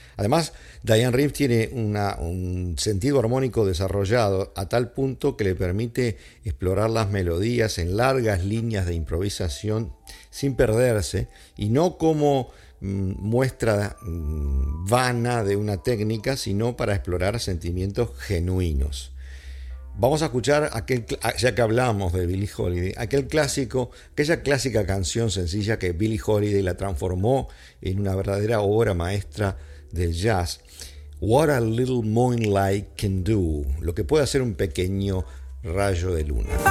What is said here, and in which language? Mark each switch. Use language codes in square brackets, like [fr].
[es] Además, Diane Reeves tiene un sentido armónico desarrollado a tal punto que le permite explorar las melodías en largas líneas de improvisación sin perderse, y no como muestra vana de una técnica, sino para explorar sentimientos genuinos. Vamos a escuchar aquel, ya que hablamos de Billie Holiday, aquella clásica canción sencilla que Billie Holiday la transformó en una verdadera obra maestra del jazz. [en] What a little moonlight can do. [es] Lo que puede hacer un pequeño rayo de luna.